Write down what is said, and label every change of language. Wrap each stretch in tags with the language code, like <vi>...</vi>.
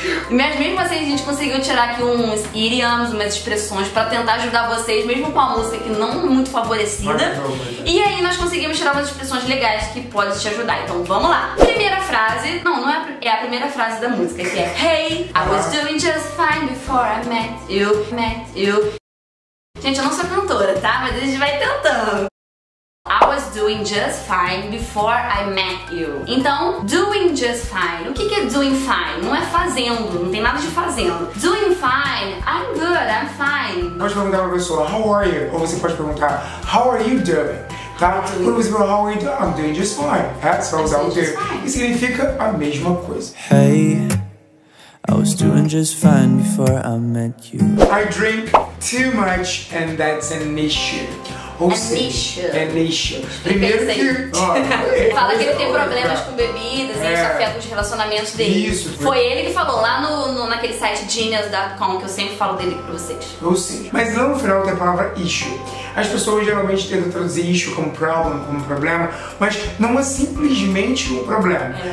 <pt>Mas mesmo assim a gente conseguiu tirar aqui uns idioms, umas expressões pra tentar ajudar vocês, mesmo com a música que não muito favorecida. E aí nós conseguimos tirar umas expressões legais que podem te ajudar. Então vamos lá. Primeira frase, é a primeira frase da música, que é</pt> <en>Hey, I was doing just fine before I met you.</en> <pt>Gente, eu não sou cantora, tá? Mas a gente vai tentando.</pt> <en>I was doing just fine before I met you.</en> <pt>Então, doing just fine. O que é doing fine? Não é fazendo, não tem nada de fazendo.</pt> <en>Doing fine, I'm good, I'm fine.</en> <pt>Pode perguntar pra pessoa,</pt> <en>how are you?</en> <pt>Ou você pode perguntar,</pt> <en>how are you doing?</en> <pt>Tá? Quando você fala,</pt> <en>how are you doing? I'm doing just fine.</en> <pt>É, só usar o doing. E significa a mesma coisa.</pt> <en>Hey, I was doing just fine before I met you. I drink too much and that's an issue.</en> <pt>Ou seja, é nicho. Primeiro que... fala que ele tem problemas com bebidas e isso afeta os relacionamentos dele. Isso. Foi ele que falou lá naquele site genius.com, que eu sempre falo dele aqui pra vocês. Ou seja, mas lá no final tem a palavra issue. As pessoas geralmente tentam traduzir issue como problem, como problema, mas não é simplesmente um problema.</pt>